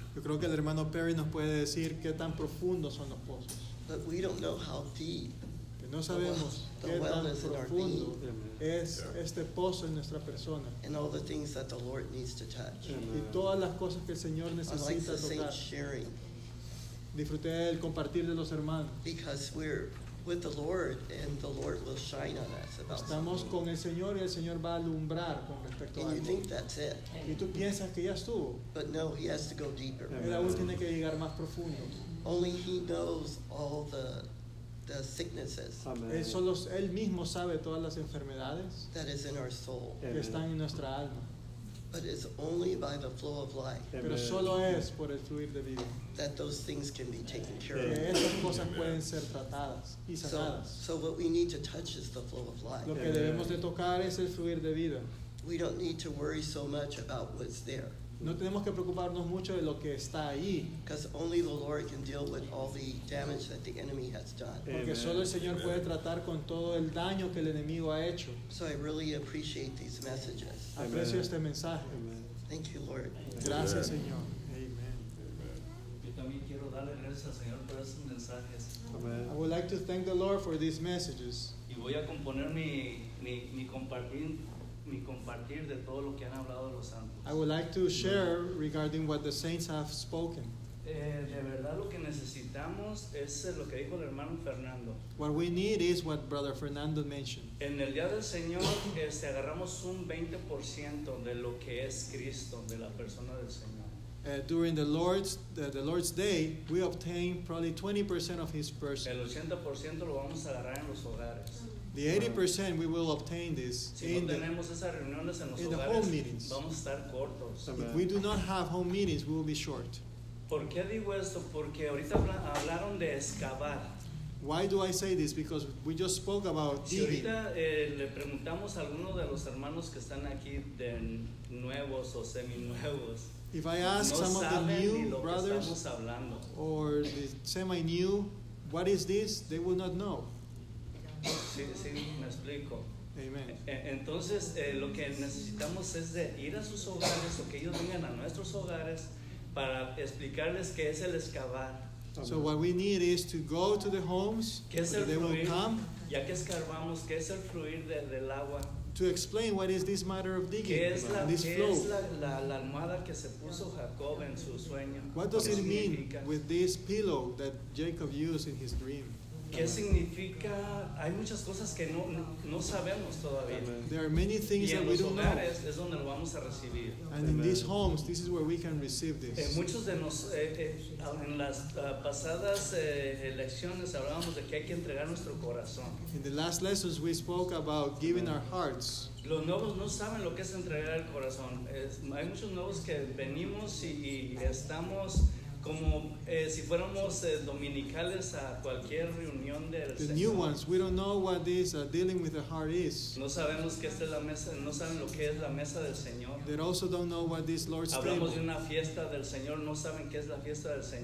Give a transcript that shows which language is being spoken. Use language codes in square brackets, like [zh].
[es] Yo creo que el hermano Perry nos puede decir qué tan profundos son los pozos. [en] But we don't know how deep. [es] No sabemos qué tan profundo es este pozo en nuestra persona. [en] And all the things that the Lord needs to touch. [es] Y todas las cosas que el Señor necesita tocar. Disfruté el compartir de los hermanos. [en] Because we're with the Lord and the Lord will shine on us. [es] Estamos con el Señor y el Señor va a alumbrar con respecto a [en] él. And you think that's it. [es] Y tú piensas que ya estuvo. [en] But no, he has to go deeper. [es] Él aún tiene que llegar más profundo. [en] Only he knows all the sicknesses. [es] Él solo, él mismo sabe todas las enfermedades. [en] That is in our soul. [es] Que están en nuestra alma. [en] But it's only by the flow of life. [es] Pero solo es por el fluir de vida. [en] That those things can be taken care of. [es] Esas cosas pueden ser tratadas y sanadas. [en] So what we need to touch is the flow of life. [es] Lo que debemos de tocar es el fluir de vida. [en] We don't need to worry so much about what's there. [es] No tenemos que preocuparnos mucho de lo que está ahí. [en] Because only the Lord can deal with all the damage that the enemy has done. [es] Porque solo el Señor puede tratar con todo el daño que el enemigo ha hecho. [en] So I really appreciate these messages. [es] Aprecio este mensaje. [en] Thank you, Lord. [es] Gracias, Señor. Amen. [en] I would like to thank the Lord for these messages. [es] Y voy a componer mi compartir de todo lo que han hablado los santos. [en] I would like to share regarding what the saints have spoken. [es] De verdad lo que necesitamos es lo que dijo el hermano Fernando. [en] What we need is what Brother Fernando mentioned. [es] En el día del Señor agarramos un 20% de lo que es Cristo, de la persona del Señor. [en] During the Lord's Day, we obtain probably 20% of His person. [es] El 80% lo vamos a agarrar en los hogares. [en] The 80% we will obtain this in the home meetings. [es] Vamos a estar cortos. [en] If we do not have home meetings, we will be short. [es] ¿Por qué digo esto? Porque ahorita hablaron de excavar. [en] Why do I say this? Because we just spoke about digging. [es] Si ahorita le preguntamos a alguno de los hermanos que están aquí de nuevos o semi-nuevos. [en] If I ask some of the new brothers or the semi-new, what is this? They will not know. [es] Sí, sí, me explico. Amen. Entonces, lo que necesitamos es de ir a sus hogares o que ellos vengan a nuestros hogares para explicarles qué es el excavar. [en] So what we need is to go to the homes. [es] ¿Qué es el [en] they [es] fluir? [en] Will come. [es] Ya que excavamos, ¿qué es el fluir del agua? [en] To explain what is this matter of digging, [es] ¿qué es la, [en] this flow. [es] Es la almohada que se puso Jacob en su sueño? [en] What does it mean with this pillow that Jacob used in his dream? [es] ¿Qué significa? Hay muchas cosas que no sabemos todavía. Amen. [en] There are many things that we don't know. [es] Es donde lo vamos a recibir. [en] And in these homes, this is where we can receive this. [es] Muchos de en las pasadas lecciones hablábamos de que hay que entregar nuestro corazón. [en] In the last lessons, we spoke about giving our hearts. [es] Los nuevos no saben lo que es entregar el corazón. Hay muchos nuevos que venimos y estamos como si fuéramos dominicales a cualquier reunión del Señor. [en] The new ones, we don't know what this dealing with the heart is. [es] No sabemos que esta es la mesa, no saben lo que es la mesa del Señor. [en] They also don't know what this Lord's [es] hablamos Hablamos de una fiesta del Señor, no saben qué es la fiesta del Señor.